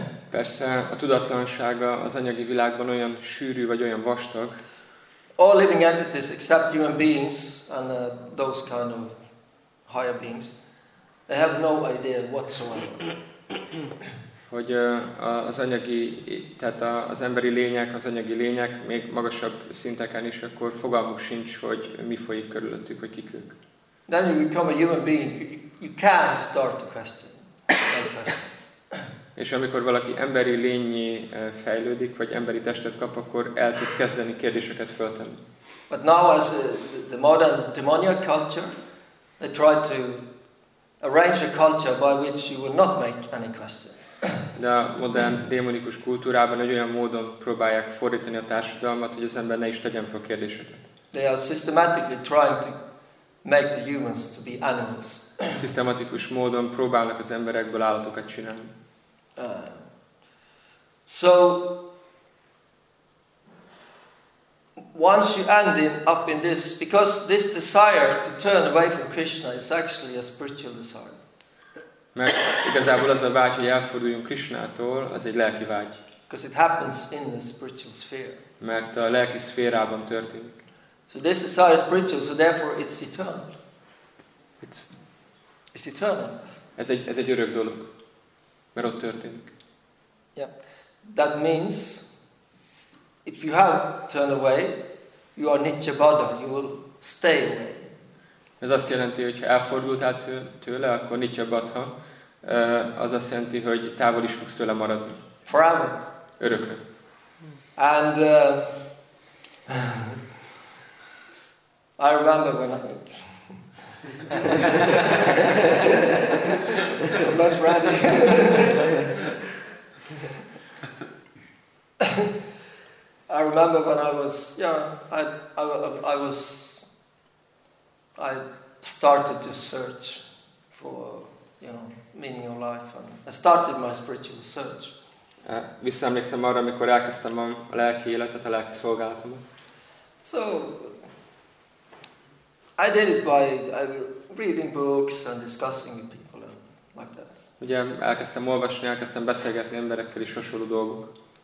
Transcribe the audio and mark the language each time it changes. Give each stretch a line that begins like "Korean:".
Hungarian: Persze, a tudatlansága az anyagi világban olyan sűrű vagy olyan vastag.
English: All living entities except human beings and those kind of higher beings, they have no idea whatsoever.
Hungarian: Hogy az anyagi, tehát az emberi lények, az anyagi lények, még magasabb szinteken is, akkor fogalmuk sincs, hogy mi folyik körülöttük, vagy kik ők.
English: Then you become a human being, you can't start to question.
Hungarian: És amikor valaki emberi lényi fejlődik, vagy emberi testet kap, akkor el tud kezdeni kérdéseket föltenni.
English: But now as the modern demonic culture, they try to arrange a culture by which you will not make any questions.
Hungarian: De a modern démonikus kultúrában egy olyan módon próbálják fordítani a társadalmat, hogy az ember ne is tegyen fel kérdéseket.
English: They are systematically trying to make the humans to be animals.
Hungarian: Szisztematikus módon próbálnak az emberekből állatokat csinálni.
English: So once you end up in this, because this desire to turn away from Krishna is actually a spiritual desire.
Hungarian: Mert igazából az a vágy, hogy elforduljunk Krishnától, az egy lelki vágy.
English: Because it happens in the spiritual sphere.
Hungarian: Mert a lelki szférában történik.
English: So this desire is spiritual, so therefore it's eternal. It's eternal.
Hungarian: Ez egy örök dolog, mert ott történik.
English: Yeah. That means if you have turned away, you are nitya bada, you will stay away.
Hungarian: Ez azt jelenti, hogy ha elfordultál tőle, akkor nitya bhadha, az azt jelenti, hogy távol is fogsz tőle maradni.
English: Forever.
Hungarian: Örökre.
English: And I remember when I was not ready. I remember remember when I was, I started to search for, you know, meaning of life, and I started my spiritual search.
Hungarian: Visszaemlékszem arra, amikor elkezdtem a lelki életet, a lelki szolgálatomat.
English: So, I did it by reading books and discussing with people and like that.
Hungarian: Ugye elkezdtem olvasni, elkezdtem beszélgetni emberekkel is hasonló dolgok.